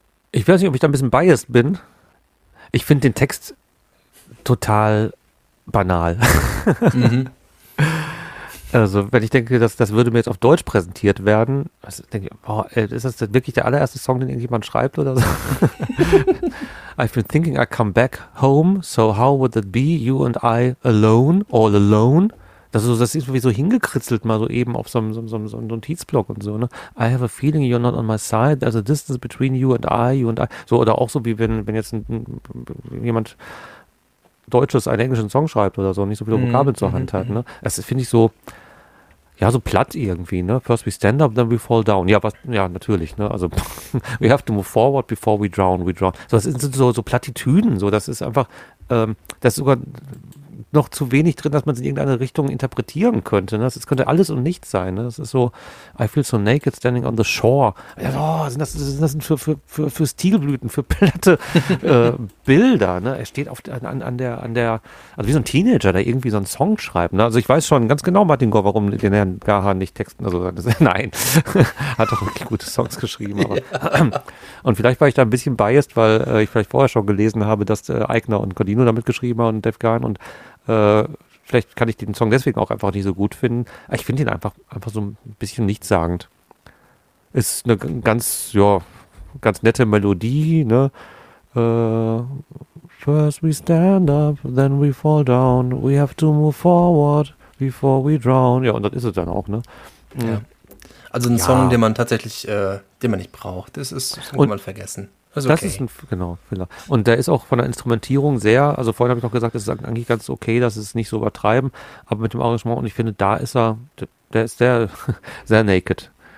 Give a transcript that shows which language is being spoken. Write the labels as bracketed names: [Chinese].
[German] Ich weiß nicht, ob ich da ein bisschen biased bin. Ich finde den Text total banal. Mhm. Also, wenn ich denke, das würde mir jetzt auf Deutsch präsentiert werden, also denke ich, boah, ist das denn wirklich der allererste Song, den irgendjemand schreibt oder so? [English] I've been thinking I come back home, so how would that be, you and I alone, all alone? [German] Das ist irgendwie so hingekritzelt, mal so eben auf so einem Notizblock und so, ne? [English] I have a feeling you're not on my side. There's a distance between you and I. [German] So, oder auch so, wie wenn jetzt jemand Deutsches einen englischen Song schreibt oder so, nicht so viele Vokabeln zur Hand hat, ne? Das finde ich so, ja, so platt irgendwie, ne? [English] First we stand up, then we fall down. [German] Ja, natürlich, ne? Also, [English] we have to move forward before we drown. [German] So, das sind so Plattitüden, so, das ist einfach, das ist sogar noch zu wenig drin, dass man es in irgendeine Richtung interpretieren könnte. Ne? Das könnte alles und nichts sein. Ne? Das ist so, [English] I feel so naked standing on the shore. [German] Ja, oh, sind das für Stilblüten, für platte Bilder. Ne? Er steht oft an der, also wie so ein Teenager, der irgendwie so einen Song schreibt. Ne? Also ich weiß schon ganz genau, Martin Gore, warum den Herrn Gahan nicht texten. Also nein, hat doch wirklich gute Songs geschrieben. Aber. Und vielleicht war ich da ein bisschen biased, weil ich vielleicht vorher schon gelesen habe, dass Aigner und Codino damit geschrieben haben und Dave Gahan und vielleicht kann ich den Song deswegen auch einfach nicht so gut finden. Ich finde ihn einfach so ein bisschen nichtssagend. Ist eine ganz, ja, ganz nette Melodie, ne? [English] First we stand up, then we fall down. We have to move forward before we drown. [German] Ja, und das ist es dann auch, ne? Ja. Also ein Song, den man tatsächlich, den man nicht braucht. Das ist irgendwann vergessen. Okay. Das ist ein, genau, Filler. Und der ist auch von der Instrumentierung sehr, also vorhin habe ich noch gesagt, es ist eigentlich ganz okay, dass es nicht so übertreiben, aber mit dem Arrangement, und ich finde, da ist er, der ist sehr, sehr naked.